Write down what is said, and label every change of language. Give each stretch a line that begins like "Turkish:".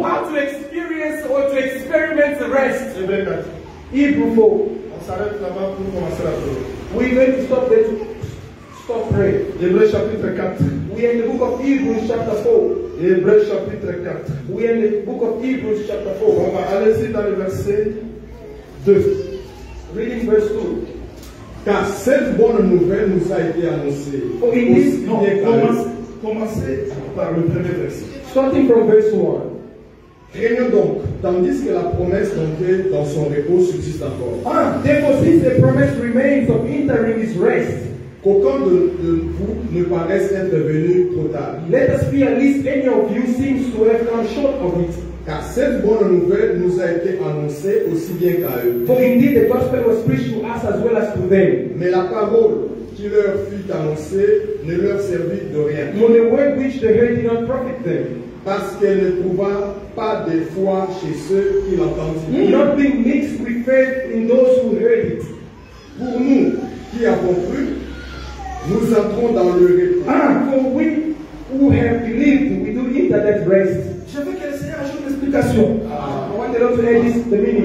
English: How to experience or to experiment the rest?
French: Hébreux 4. On s'arrête là-bas pour commencer la prière.
English: We need to stop there. Stop praying.
French: Hébreux chapitre 4.
English: We are in the book of Hebrews chapter 4.
French: Hébreux chapitre 4.
English: We are in the book of Hebrews chapter 4.
French: On va aller dans le verset 2.
English: Reading verse 2.
French: Car cette bonne nouvelle nous a été annoncée.
English: Oh, in this,
French: no, commencez par le premier verset.
English: Starting from verse 1.
French: Craignons donc, tandis que la promesse d'entrer dans son repos subsiste encore.
English: Ah, therefore, since the promise remains of entering his rest.
French: Qu'aucun de vous ne paraisse être venu trop tard.
English: Let us be at least any of you seems to have come short of it.
French: Car cette bonne nouvelle nous a été annoncée aussi bien qu'à eux.
English: For indeed the gospel was preached to us as well as to them.
French: Mais la parole qui leur fut annoncée ne leur servit de rien.
English: For the word which they heard did not profit them.
French: Parce qu'elle ne trouva pas de foi chez ceux qui l'entendirent.
English: Not being mixed with faith in those who heard it.
French: Pour nous qui avons cru. Nous entrons dans le repos.
English: For we who have believed, we do enter that rest.
French: Je veux qu'elle s'y ajoute une explication.
English: I want the Lord to add this to the meaning.